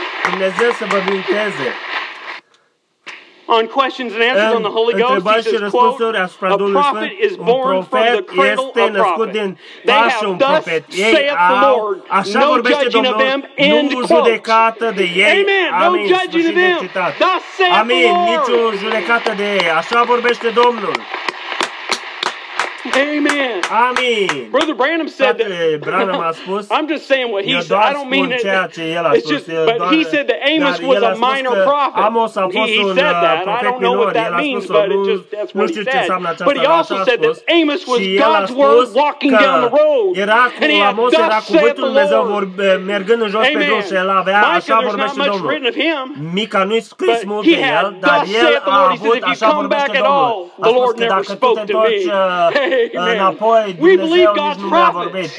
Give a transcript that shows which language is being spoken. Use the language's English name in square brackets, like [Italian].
[Romanian] Dumnezeu să vă binecuvânteze. [English] On questions and answers on the Holy Ghost, Jesus quote, a prophet is born from the cradle of a prophet. [Romanian] Este născut din pașul unui profet. Ei au, așa vorbește Domnul, nu judecată de ei. [English] Amen. No judging of them. Thus saith the Lord. [Romanian] Amen. Nici o judecată de ei. Așa vorbește Domnul. Amen. Amen. [English] Brother Branham said [Romanian] Branham a spus, [English] I'm just saying what he said. I don't mean it. [Romanian] Ceea ce el a spus. [English] Just, but he said that Amos was a minor prophet. [Romanian] Amos a fost [English] he said that. I don't know what that means, but it just, that's what he said. But he also said that Amos was God's word walking down the road. [Romanian] And Amos era cuvântul lui Dumnezeu mergând în jos pe drum și el avea, așa vorbește Domnul. Mica nu-i scris mult de el, dar el a avut, așa vorbește Domnul. [English] The Lord never spoke to me. Amen. Apoi, we believe God's prophets.